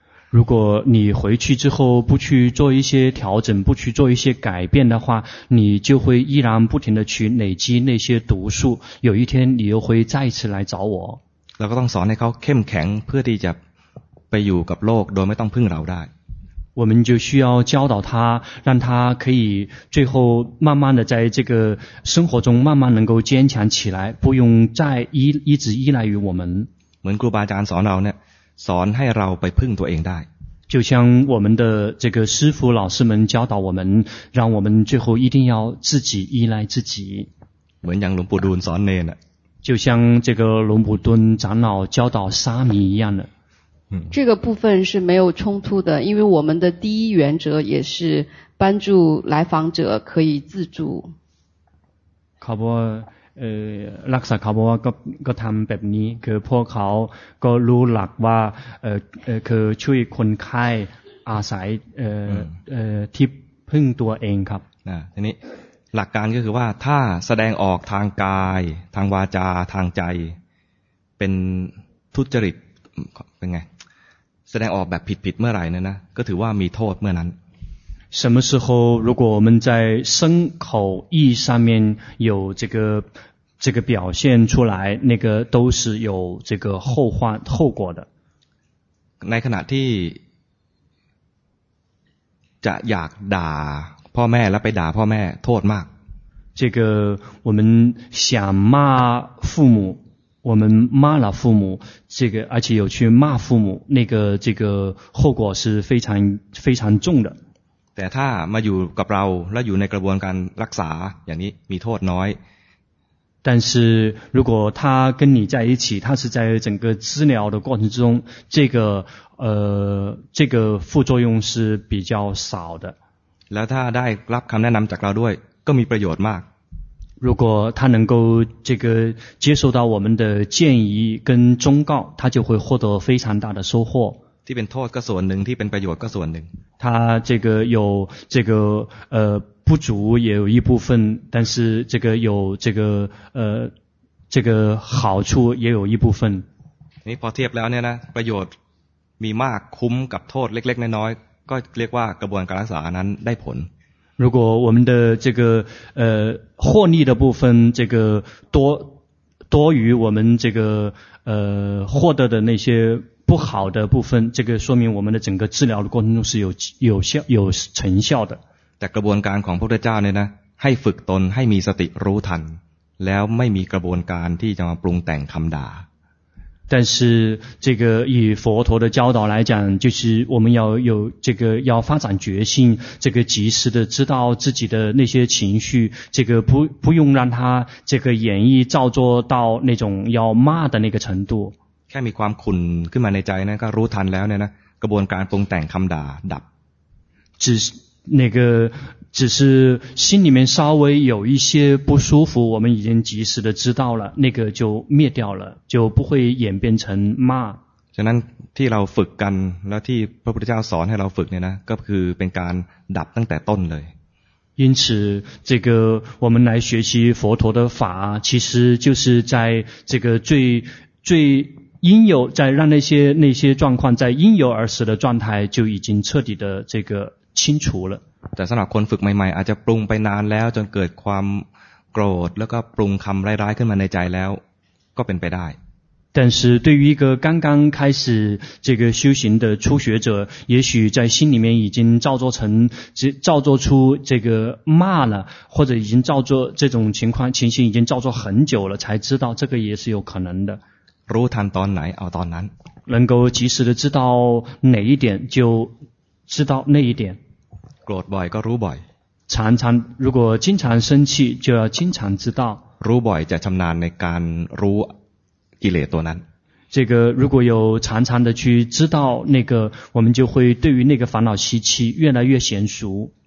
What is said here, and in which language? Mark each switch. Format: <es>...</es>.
<zh>如果你回去之后不去做一些调整不去做一些改变的话你就会依然不停地去累积那些毒素有一天你又会再次来找我</zh> <th>แล้วก็ต้องสอนให้เขาเข้มแข็งเพื่อที่จะไปอยู่กับโลกโดยไม่ต้องพึ่งเราได้</th> <zh>我们就需要教导他让他可以最后慢慢的在这个生活中慢慢能够坚强起来不用再一直依赖于我们</zh> <th>เหมือนครูบาอาจารย์สอนเราเนี่ยสอนให้เราไปพึ่งตัวเองได้</th> <zh>就像我们的这个师父老师们教导我们让我们最后一定要自己依赖自己</zh> <th>เหมือนอย่างหลวงปู่ดูลสอนเนน</th> <zh>就像这个龙普敦长老教导沙弥一样的这个部分是没有冲突的因为我们的第一原则也是帮助来访者可以自助</zh> <th>ขอบคุณรักษาเขาบอกว่าก็ทำแบบนี้คือพวกเขาก็รู้หลักว่าคือช่วยคนไข้อาศัยที่พึ่งตัวเองครับ ทีนี้หลักการก็คือว่าถ้าแสดงออกทางกายทางวาจาทางใจเป็นทุจริตเป็นไงแสดงออกแบบผิดเมื่อไหร่นะก็ถือว่ามีโทษเมื่อนั้น</th> <zh>什么时候如果我们在身口意上面有这个表现出来那个都是有这个后果的</zh> <th>ในขณะที่จะอยากด่าพ่อแม่แล้วไปด่าพ่อแม่โทษมาก</th> <zh>这个我们想骂父母我们骂了父母这个而且有去骂父母那个这个后果是非常非常重的</zh> <th>แต่ถ้ามาอยู่กับเราแล้วอยู่ในกระบวนการรักษาอย่างนี้มีโทษน้อย</th> <zh>但是如果他跟你在一起他是在整个治疗的过程中这个副作用是比较少的</zh> <th>แล้วถ้าได้รับคำแนะนำจากเราด้วยก็มีประโยชน์มาก</th> <zh>如果他能够这个接受到我们的建议跟忠告他就会获得非常大的收获</zh> <th>ที่เป็นโทษก็ส่วนหนึ่งที่เป็นประโยชน์ก็ส่วนหนึ่ง</th> <zh>他这个有这个不足也有一部分但是这个有这个这个好处也有一部分</zh> <th>นี่พอเทียบแล้วเนี่ยนะประโยชน์มมีมากคุ้มกับโทษเล็กๆน้อยๆก็เรียกว่ากระบวนการรักษานั้นได้ผล</th> <zh>如果我们的这个获利的部分这个多于我们这个获得的那些不好的部分这个说明我们的整个治疗的过程中是有效有成效的</zh> <th>แต่กระบวนการของพระพุทธเจ้าเนี่ยนะให้ฝึกตนให้มีสติรู้ทันแล้วไม่มีกระบวนการที่จะมาปรุงแต่งคำด่า</th> <zh>但是这个以佛陀的教导来讲就是我们要有这个要发展决心这个及时的知道自己的那些情绪这个不用让他这个演绎造作到那种要骂的那个程度</zh> <th>แค่มีความขุ่นขึ้นมาในใจนะก็รู้ทันแล้วเนี่ยนะกระบวนการปรุงแต่งคำด่าดับ</th> <zh>只是那个只是心里面稍微有一些不舒服我们已经及时的知道了那个就灭掉了就不会演变成骂</zh> <th>ฉะนั้นที่เราฝึกกันแล้วที่พระพุทธเจ้าสอนให้เราฝึกเนี่ยนะก็คือเป็นการดับตั้งแต่ต้นเลย</th> <zh>因此这个我们来学习佛陀的法其实就是在这个最应有在让那些状况在应有而死的状态就已经彻底的这个清除了</zh> <th>แต่สำหรับคนฝึกใหม่ๆอาจจะปรุงไปนานแล้วจนเกิดความโกรธแล้วก็ปรุงคำร้ายๆขึ้นมาในใจแล้วก็เป็นไปได้</th> <zh>但是对于一个刚刚开始这个修行的初学者也许在心里面已经造作出这个骂了或者已经造作这种情形已经造作很久了才知道这个也是有可能的</zh> <th>รู้ทันตอนไหนเอาตอนนั้น</th> <zh>能够及时的知道哪一点就知道那一点</zh> <th>โกรธบ่อยก็รู้บ่อย</th> <zh>常常如果经常生气就要经常知道</zh> <th>รู้บ่อยจะชำนาญในการรู้กิเลสตัวนั้น</th> <zh>这个如果有常常的去知道那个我们就会对于那个烦恼习气越来越娴熟</zh>